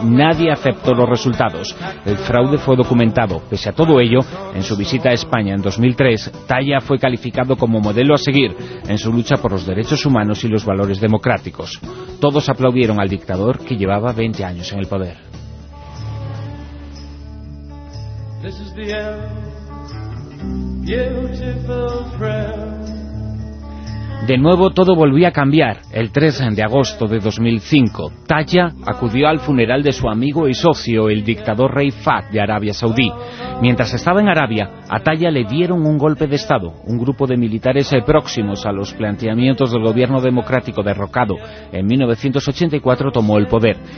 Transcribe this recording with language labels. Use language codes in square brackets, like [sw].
[es] Nadie aceptó los resultados. El fraude fue documentado. Pese a todo ello, en su visita a España en 2003, Tayá fue calificado como modelo a seguir en su lucha por los derechos humanos y los valores democráticos. Todos aplaudieron al dictador que llevaba 20 años en el poder. [en] This is the end, beautiful friend. [es] De nuevo todo volvió a cambiar. El 3 de agosto de 2005, Tayá acudió al funeral de su amigo y socio, el dictador Rey Fahd de Arabia Saudí. Mientras estaba en Arabia, a Tayá le dieron un golpe de estado. Un grupo de militares próximos a los planteamientos del gobierno democrático derrocado en 1984 tomó el poder.